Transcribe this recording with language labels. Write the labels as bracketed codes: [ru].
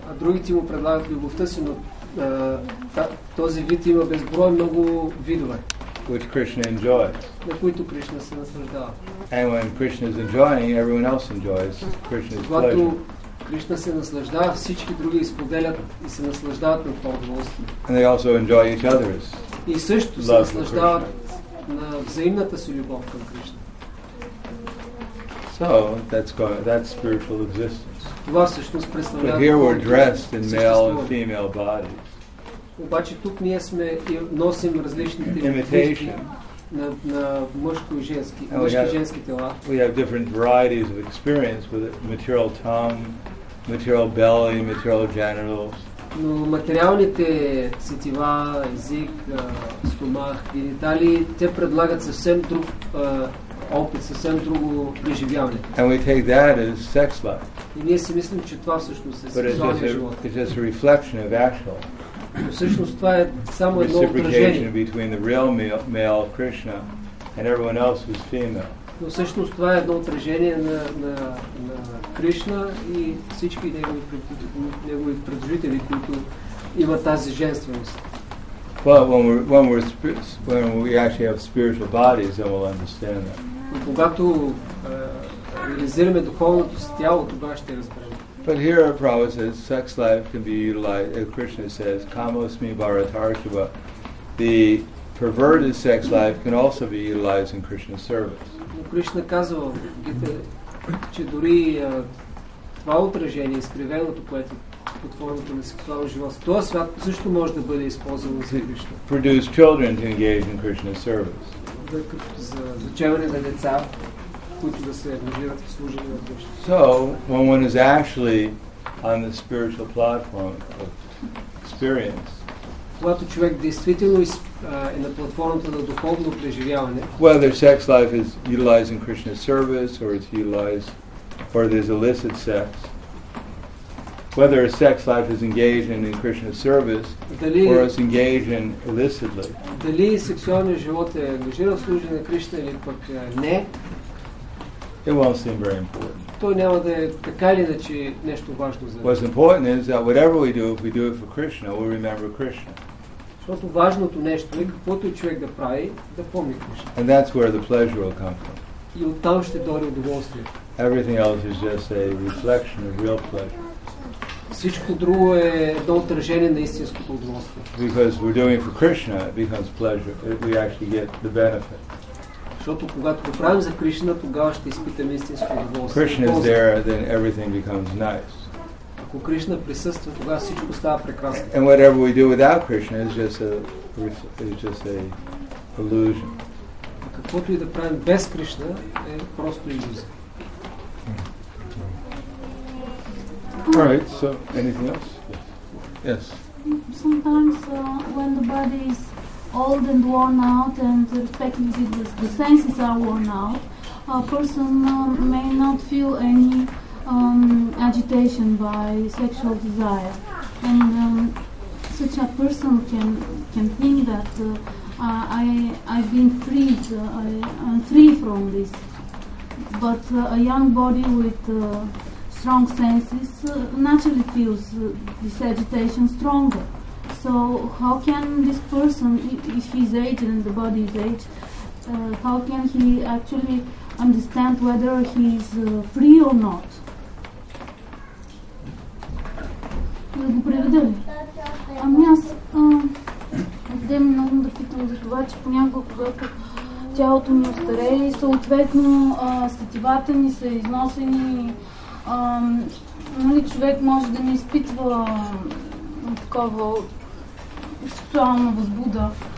[bg] А другите му предлагат любовта си, но този вид има безброй много видове. [en] Which Krishna enjoys. [bg] На които Кришна се наслаждава. [en] And when Krishna is enjoying, everyone else enjoys Krishna's pleasure. [bg] Когато Кришна се наслаждава, всички други споделят и се наслаждават на това удоволствие. [en] And they also enjoy each other's. [bg] И също се наслаждават на взаимната си любов към Кришна. [en] So that's spiritual existence. But here we're dressed in male and female bodies. [bg] Обаче тук ние сме носим различните на мъжко и женски, женски тела. [en] We have different varieties of experience with material tongue, material belly, material genitals. [bg] Но материалните сетива, език, стомах, гениталии, те предлагат съвсем друг опит, съвсем друго преживяване. [en] And we take that as sex life. [bg] И ние си мислим, че това всъщност е сексуалния живот. [en] But it's just a reflection of actual. [bg] Всъщност това е само едно отражение. [en] Reciprocation between the real male Krishna and everyone else who's female. [bg] Но всъщност това е едно отражение на Кришна и всички негови предложители, които имат тази женственост. [en] Well, when we actually have spiritual bodies, then we'll understand that. [bg] Когато реализираме духовното си тяло, тогава ще разберем. [en] But here our Prabhupada says sex life can be utilized, as Krishna says, kamosmi bharatarshava. The perverted sex life can also be utilized in Krishna's service. [bg] Krishna казва, че дори това отражение, изкривеното, което под формата на сексуално живот, този свят също може да бъде използван за Кришна. [en] Produce children to engage in Krishna's service. [bg] За зачеване на деца, които да се ангажират в служене на Кришна. [en] So, when one is actually on the spiritual platform of experience, [bg] когато човек действително е на платформата на духовно преживяване, [en] whether sex life is utilized in Krishna's service or it's utilized or there's illicit sex, whether a sex life is engaged in Krishna's service or it's engaged in illicitly. [bg] Дали сексуалният живот е ангажиран в служене на Кришна или пък не, [en] it won't seem very important. [bg] То няма да е така или иначе нещо важно за нас. [en] What's important is that whatever we do, if we do it for Krishna, we'll remember Krishna. [bg] Защото важното нещо е каквото и човек да прави, да помни Кришна. [en] And that's where the pleasure will come from. [bg] И оттам ще дойде удоволствие. [en] Everything else is just a reflection of real pleasure. [bg] Всичко друго е едно отражение на истинското удоволствие. [en] Because we're doing it for Krishna, it becomes pleasure. We actually get the benefit. [bg] Защото когато го правим за Кришна, тогава ще изпитаме истинско удоволствие. [en] Krishna is there, then everything becomes nice. [bg] Ако Кришна присъства, тогава всичко става прекрасно. [en] And whatever we do without Krishna is just a illusion. [bg] А каквото и да правим без Кришна е просто иллюзия. [en] All right, so anything else? Yes. Sometimes when the body is old and worn out and respectively the senses are worn out, a person may not feel any agitation by sexual desire. And such a person can think that I've been freed, I'm free from this. But a young body with strong senses naturally feels this agitation stronger. So how can this person, if he's aged and the body is aged, how can he actually understand whether he's free or not? [bg] Да преведа ли? Ами аз отдем много да питам за това, че понякога, когато тялото ми остарее, съответно сетивата ми са износени, нали човек може да не изпитва такова сексуална възбуда.